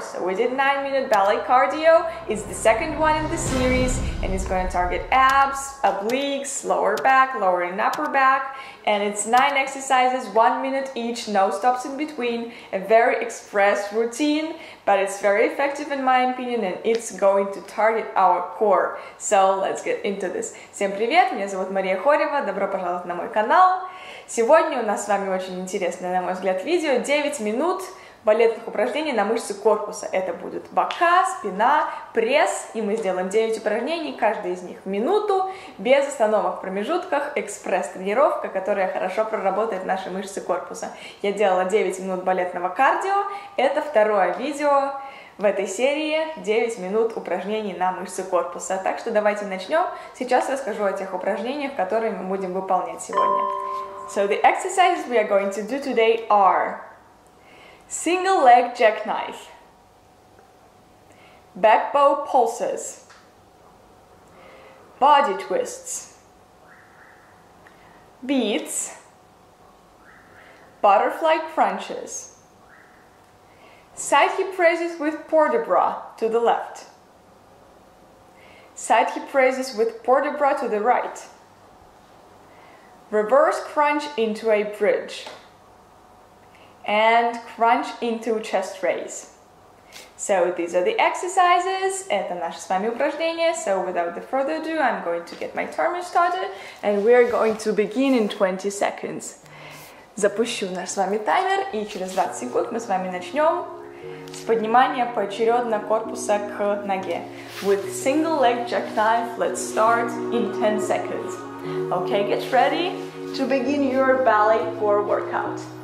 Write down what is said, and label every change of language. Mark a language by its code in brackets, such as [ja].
[en] So we did 9-minute ballet cardio, it's the second one in the series, and it's going to target abs, obliques, lower back, lower and upper back, and it's 9 exercises, 1 minute each, no stops in between, a very express routine, but it's very effective in my opinion, and it's going to target our core. So let's get into this. [ru] Всем привет, меня зовут Мария Хорева, добро пожаловать на мой канал. Сегодня у нас с вами очень интересное, на мой взгляд, видео, 9 минут балетных упражнений на мышцы корпуса. Это будут бока, спина, пресс, и мы сделаем 9 упражнений, каждое из них в минуту, без остановок в промежутках, экспресс-тренировка, которая хорошо проработает наши мышцы корпуса. Я делала 9 минут балетного кардио, это второе видео в этой серии 9 минут упражнений на мышцы корпуса. Так что давайте начнем. Сейчас расскажу о тех упражнениях, которые мы будем выполнять сегодня. [en] So the exercises we are going to do today are single leg jackknife, back bow pulses, body twists, beats, butterfly crunches, side hip raises with port de bras to the left, side hip raises with port de bras to the right, reverse crunch into a bridge, and crunch into chest raise. So these are the exercises. [ru] Это наши с вами упражнения. [en] So without further ado, I'm going to get my timer started, and we're going to begin in 20 seconds. [ru] Запущу наш с вами таймер, и через 20 секунд мы с вами начнем с поднимания поочередно корпуса к ноге. [en] With single leg jackknife, let's start in 10 seconds. Okay, get ready to begin your ballet core workout.